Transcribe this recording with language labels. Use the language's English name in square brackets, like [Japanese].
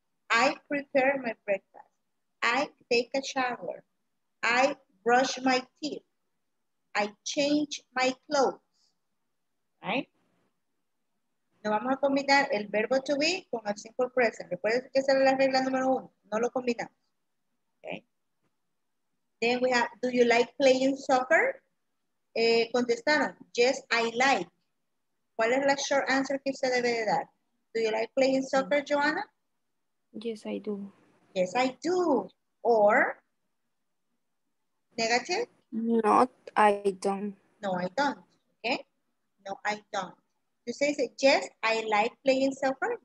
[English] I prepare my breakfast. I take a shower. I brush my teeth. I change my clothes, right? [Spanish] No vamos a combinar el verbo to be con el simple present. Recuerden que esa es la regla número uno. No lo combinamos, okay? [English] Then we have, do you like playing soccer? [Spanish] Contestaron, [English] yes, I like. [Spanish] ¿Cuál es la short answer que usted debe de dar? [English] Do you like playing soccer, Joanna? Yes, I do. Yes, I do. Or, negative? Not, I don't. No, I don't. Okay? No, I don't. You say, yes, I like playing soccer.